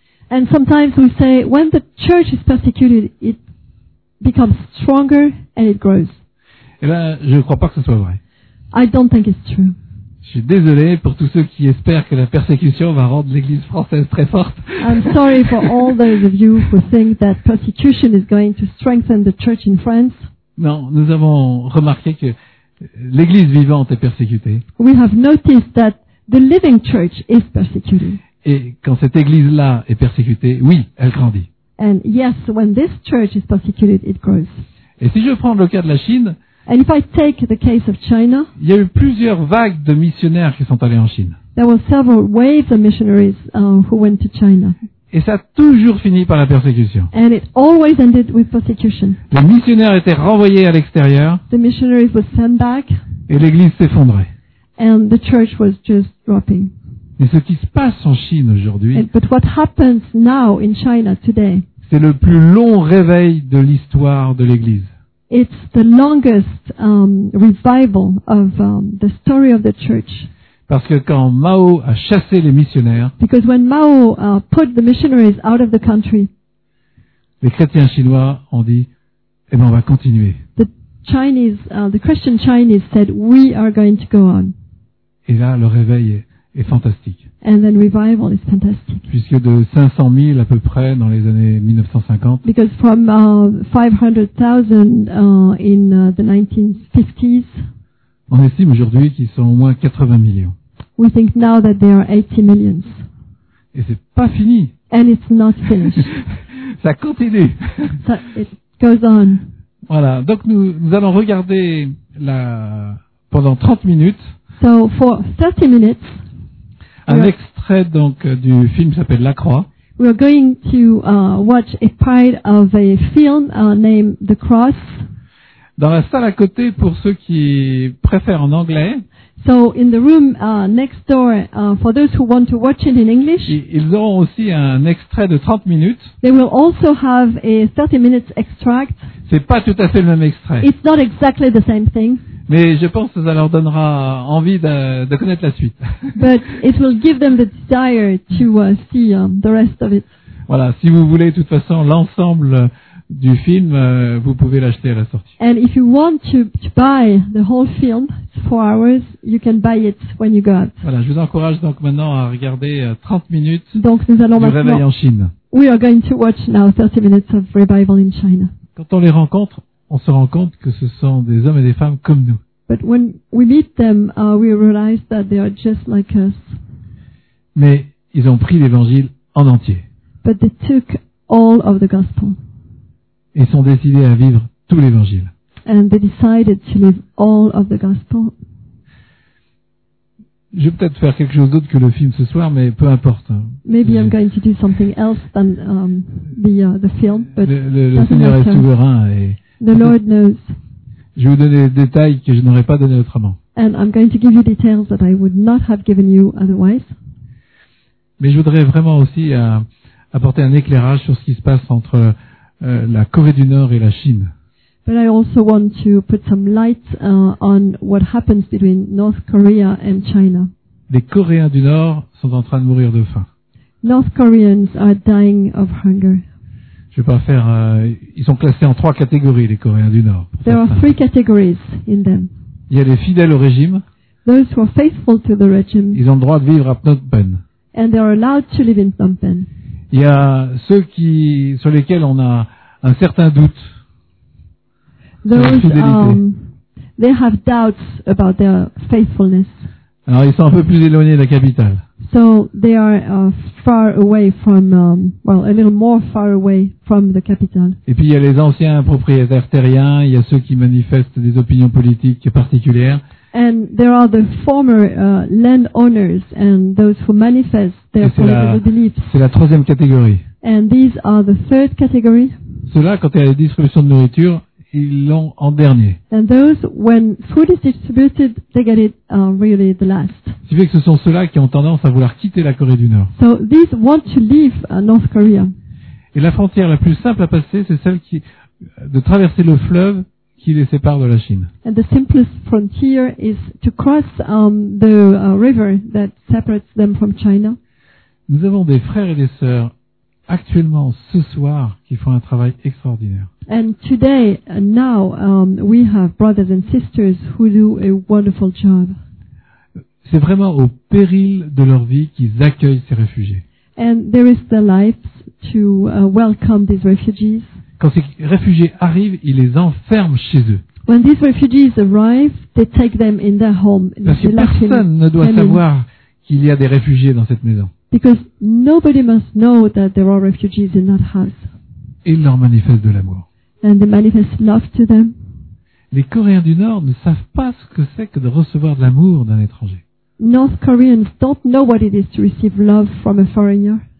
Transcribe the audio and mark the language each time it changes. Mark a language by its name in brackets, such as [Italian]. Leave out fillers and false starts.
[English] And sometimes we say, when the church is persecuted, it becomes stronger and it grows. [French] Et là, je ne crois pas que ce soit vrai. [English] I don't think it's true. [French] Je suis désolé pour tous ceux qui espèrent que la persécution va rendre l'Église française très forte. [English] I'm sorry for all those of you who think that persecution is going to strengthen the church in France. [French] Non, nous avons remarqué que l'Église vivante est persécutée. [English] We have noticed that the living church is persecuted. [French] Et quand cette Église-là est persécutée, oui, elle grandit. [English] And yes, when this church is persecuted, it grows. [French] Et si je prends le cas de la Chine, [English] and if I take the case of China, [French] il y a eu plusieurs vagues de missionnaires qui sont allés en Chine. [English] There were several waves of missionaries who went to China. [French] Et ça a toujours fini par la persécution. [English] And it always ended with persecution. [French] Les missionnaires étaient renvoyés à l'extérieur. [English] The missionaries were sent back. [French] Et l'église s'effondrait. [English] And the church was just dropping. [French] Mais ce qui se passe en Chine aujourd'hui, [English] but what happens now in China today, [French] c'est le plus long réveil de l'histoire de l'Église. [English] It's the longest revival of the story of the church. [French] Parce que quand Mao a chassé les missionnaires, [English] because when Mao put the missionaries out of the country, [French] les chrétiens chinois ont dit, eh bien, on va continuer. [English] The Chinese, the Christian Chinese said, we are going to go on. [French] Et là, le réveil est fantastique. [English] And then revival is fantastic. [French] Puisque de 500 000 à peu près dans les années 1950. [English] Because from 500,000 in the 1950s. [French] On estime aujourd'hui qu'ils sont au moins 80 millions. [English] We think now that they are 80 millions. [French] Et c'est pas fini. [English] And it's not finished. [French] Ça continue. [English] So it goes on. [French] Voilà. Donc nous allons regarder pendant 30 minutes. [English] So for 30 minutes. [French] Un extrait donc du film qui s'appelle La Croix. [English] We are going to watch a part of a film named The Cross. [French] Dans la salle à côté, pour ceux qui préfèrent en anglais. [English] So in the room next door, for those who want to watch it in English. [French] Ils auront aussi un extrait de 30 minutes. [English] They will also have a 30 minutes extract. [French] C'est pas tout à fait le même extrait. [English] It's not exactly the same thing. [French] Mais je pense que ça leur donnera envie de connaître la suite. [English] But it will give them the desire to see the rest of it. [French] Voilà, si vous voulez, de toute façon, l'ensemble du film, vous pouvez l'acheter à la sortie. [English] And if you want to buy the whole film, it's 4 hours, you can buy it when you go out. [French] Voilà, je vous encourage donc maintenant à regarder 30 minutes donc, nous allons du réveil en Chine. [English] We are going to watch now 30 minutes of revival in China. [French] Quand on les rencontre, on se rend compte que ce sont des hommes et des femmes comme nous. [English] But when we meet them, we realize that they are just like us. [French] Mais ils ont pris l'évangile en entier. [English] But they took all of the gospel. [French] Ils sont décidés à vivre tout l'évangile. [English] And they decided to live all of the gospel. [French] Je vais peut-être faire quelque chose d'autre que le film ce soir, mais peu importe. [English] Maybe I'm going to do something else than the film, but [French] le Seigneur est souverain et [English] the Lord knows. [French] Je vais vous donner des détails que je n'aurais pas donné autrement. [English] And I'm going to give you details that I would not have given you otherwise. [French] Mais je voudrais vraiment aussi apporter un éclairage sur ce qui se passe entre la Corée du Nord et la Chine. [English] But I also want to put some light on what happens between North Korea and China. [French] Les Coréens du Nord sont en train de mourir de faim. [English] North Koreans are dying of hunger. [French] Je vais pas faire ils sont classés en 3 catégories les Coréens du Nord. [English] There are 3 categories in them. [French] Il y a les fidèles au régime. [English] Those who are faithful to the regime. [French] Ils ont le droit de vivre à Phnom Penh. [English] And they are allowed to live in Phnom Penh. [French] Il y a ceux qui sur lesquels on a un certain doute. [English] Those they have doubts about their faithfulness. [French] Alors ils sont un peu plus éloignés de la capitale. [English] So they are far away from a little more far away from the capital. [French] Et puis il y a les anciens propriétaires terriens, il y a ceux qui manifestent des opinions politiques particulières. [English] And there are the former landowners and those who manifest their political beliefs. [French] C'est la troisième catégorie. [English] And these are the third category. [French] Ceux-là, quand il y a la distribution de nourriture, ils l'ont en dernier. [English] And those, when food is distributed, they get it really the last. [French] Ce qui fait que ce sont ceux-là qui ont tendance à vouloir quitter la Corée du Nord. [English] So these want to leave North Korea. [French] Et la frontière la plus simple à passer, c'est celle qui de traverser le fleuve qui les sépare de la Chine. [English] And the simplest frontier is to cross the river that separates them from China. [French] Nous avons des frères et des sœurs actuellement ce soir qui font un travail extraordinaire. [English] And today now we have brothers and sisters who do a wonderful job. [French] C'est vraiment au péril de leur vie qu'ils accueillent ces réfugiés. [English] And there is the life to welcome these refugees. [French] Quand ces réfugiés arrivent, ils les enferment chez eux. [English] When these refugees arrive, they take them in their home. [French] Parce que personne ne doit savoir qu'il y a des réfugiés dans cette maison. [English] Because nobody must know that there are refugees in that house. [French] Ils leur manifestent de l'amour. [English] And they manifest love to them. [French] Les Coréens du Nord ne savent pas ce que c'est que de recevoir de l'amour d'un étranger. [English] North Koreans don't know what it is to receive love from a foreigner.